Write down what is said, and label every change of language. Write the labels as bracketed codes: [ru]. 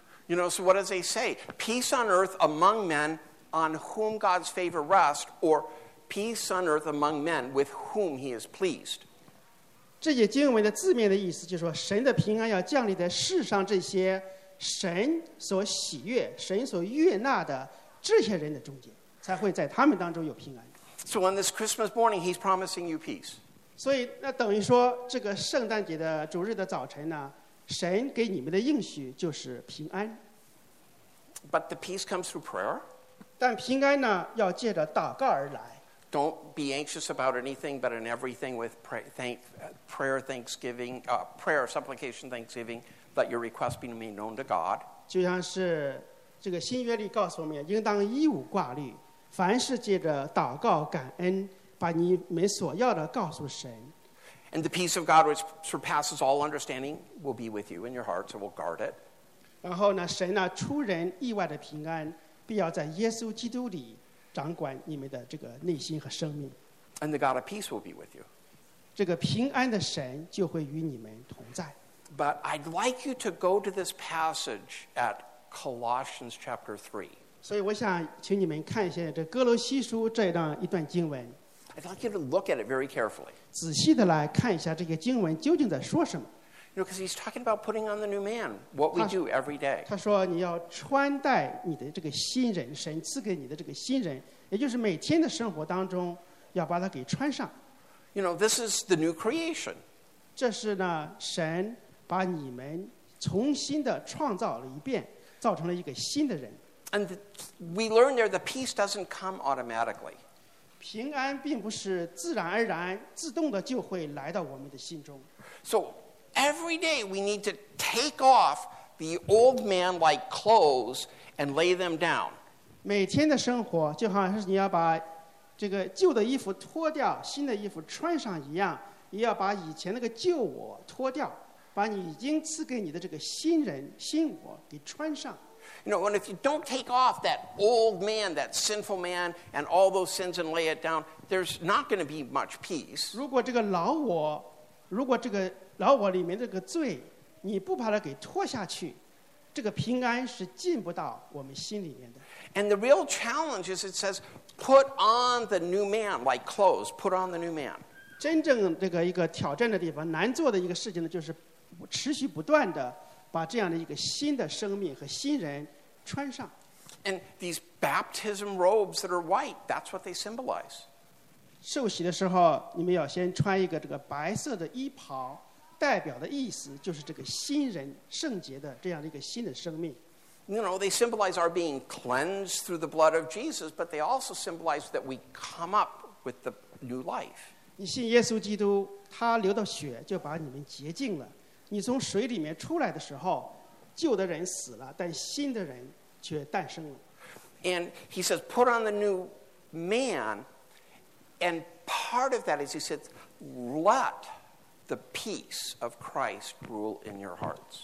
[en] You know, so what does they say? Peace on earth among men on whom God's favor rests, or peace on earth among men with whom he is pleased. [zh] 这些经文的字面的意思就是说，神的平安要降临在世上这些神所喜悦、神所悦纳的这些人的中间，才会在他们当中有平安。 [en] So on this Christmas morning, he's promising you peace. [zh] 所以那等于说，这个圣诞节的主日的早晨呢，神给你们的应许就是平安。 [en] But the peace comes through prayer. [zh] 但平安呢，要借着祷告而来。 [en] Don't be anxious about anything, but in everything with prayer, thanksgiving, prayer, supplication, thanksgiving, let your request be made known to God. [zh] 就像是这个新约里告诉我们，应当一无挂虑，凡事借着祷告感恩，把你们所要的告诉神。 [en] And the peace of God which surpasses all understanding will be with you in your hearts, and will guard it. [zh] 然后呢，神呢出人意外的平安，必要在耶稣基督里掌管你们的这个内心和生命。 [en] And the God of peace will be with you. [zh] 这个平安的神就会与你们同在。 [en] But I'd like you to go to this passage at Colossians chapter 3. [zh] 所以我想请你们看一下这哥罗西书这样一段经文。 [en] I'd like you to look at it very carefully. [zh] 仔细的来看一下这个经文究竟在说什么。 [en] You know, because he's talking about putting on the new man, what we do every day. [zh] 他说你要穿戴你的这个新人，神赐给你的这个新人，也就是每天的生活当中要把它给穿上。 [en] You know, this is the new creation. [zh] 这是呢，神把你们重新的创造了一遍，造成了一个新的人。 [en] And we learn there the peace doesn't come automatically. [zh] 平安并不是自然而然，自动的就会来到我们的心中。 [en] So,Every day we need to take off the old man like clothes and lay them down. [zh] 每天的生活就好像是你要把这个旧的衣服脱掉，新的衣服穿上一样，也要把以前那个旧我脱掉，把你已经赐给你的这个新人，新我给穿上。 [en] You know, and if you don't take off that old man, that sinful man, and all those sins and lay it down, there's not going to be much peace. [zh] 如果这个老我，如果这个老我里面这个罪你不把它给拖下去，这个平安是进不到我们心里面的。 [en] And the real challenge is it says put on the new man like clothes, put on the new man. [zh] 真正这个一个挑战的地方，难做的一个事情呢，就是持续不断的把这样的一个新的生命和新人穿上。 [en] And these baptism robes that are white, that's what they symbolize. [zh] 受洗的时候你们要先穿一个这个白色的衣袍，代表的意思就是这个新人圣洁的这样的一个新的生命。 [en] You know, they symbolize our being cleansed through the blood of Jesus, but they also symbolize that we come up with the new life. [zh] 你信耶稣基督，他流的血就把你们洁净了。你从水里面出来的时候，旧的人死了，但新的人却诞生了。 [en] And he says, put on the new man, and part of that is he says, let. The peace of Christ rule in your hearts.